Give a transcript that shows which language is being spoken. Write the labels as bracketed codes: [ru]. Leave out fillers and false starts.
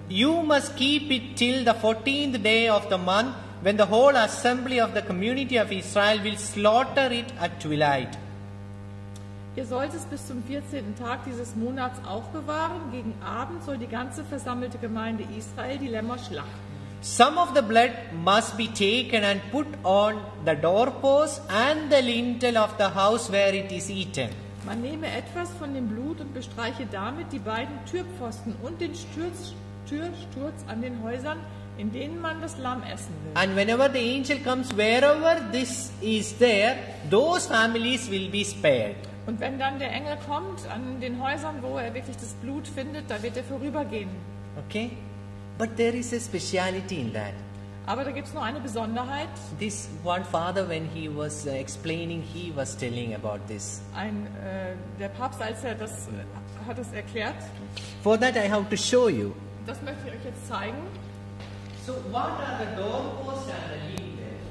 [en] You must keep it till the 14th day of the month, when the whole assembly of the community of Israel will slaughter it at twilight. [de] Ihr sollt es bis zum 14. Tag dieses Monats aufbewahren. Gegen Abend soll die ganze versammelte Gemeinde Israel die Lämmer schlachten. [en] Some of the blood must be taken and put on the doorpost and the lintel of the house where it is eaten. [de] Man nehme etwas von dem Blut und bestreiche damit die beiden Türpfosten und den Türsturz an den Häusern, in denen man das Lamm essen will. [en] And whenever the angel comes, wherever this is there, those families will be spared. [de] Und wenn dann der Engel kommt an den Häusern, wo er wirklich das Blut findet, da wird er vorübergehen. [en] Okay. But there is a speciality in that. [de] Aber da gibt's noch eine Besonderheit. [en] This one father, when he was explaining, he was telling about this. [de] Der Papst, als er das hat es erklärt. [en] For that I have to show you. [de] Das möchte ich euch jetzt zeigen. [en] So what are the doorposts and the lintel?